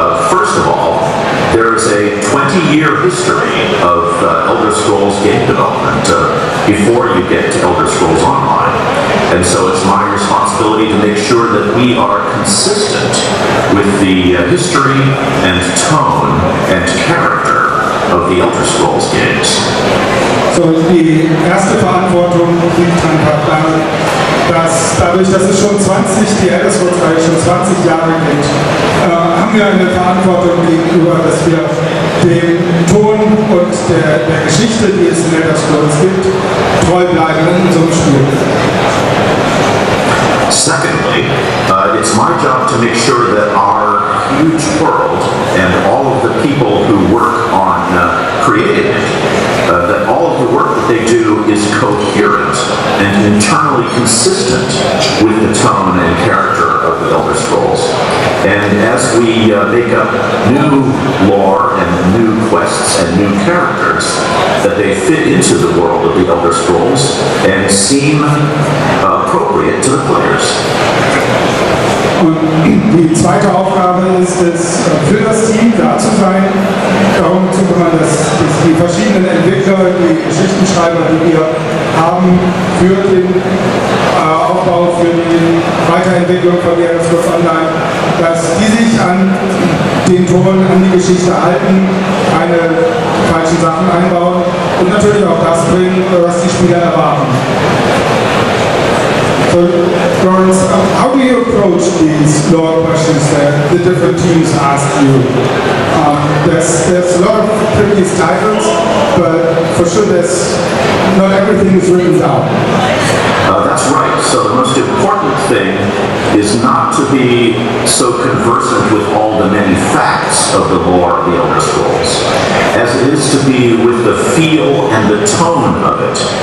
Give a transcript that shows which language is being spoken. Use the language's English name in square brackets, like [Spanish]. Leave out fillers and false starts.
[English] First of all, there is a 20-year history of Elder Scrolls game development before you get to Elder Scrolls Online. And so it's my responsibility to make sure that we are consistent with the history and tone and character of the Elder Scrolls games. So the [German] erste Verantwortung liegt an Kaplan. Dadurch, dass es schon 20, die Elder Scrolls-Reihe schon 20 Jahre gibt, haben wir eine Verantwortung gegenüber, dass wir dem Ton und der Geschichte, die es in Elder Scrolls gibt, treu bleiben in unserem Spiel. [English] Secondly, it's my job to make sure that our huge world and all of the people who work on creating it, that all of the work that they do is coherent and internally consistent with the tone and character of the Elder Scrolls. And as we make up new lore and new quests and new characters, that they fit into the world of the Elder Scrolls and seem appropriate to the players. [German] Und die zweite Aufgabe ist es, für das Team da zu sein, darum zu kümmern, dass die verschiedenen Entwickler, die Geschichtenschreiber, die wir haben, für den Aufbau, für die Weiterentwicklung von Elder Scrolls Online, dass die sich an den Ton, an die Geschichte halten, keine falschen Sachen einbauen und natürlich auch das bringen, was die Spieler erwarten. [English] So, Lawrence, how do you approach these law questions that the different teams ask you? There's a lot of tricky titles, but for sure there's not everything is written down. That's right. So the most important thing is not to be so conversant with all the many facts of the lore of the Elder Scrolls, as it is to be with the feel and the tone of it.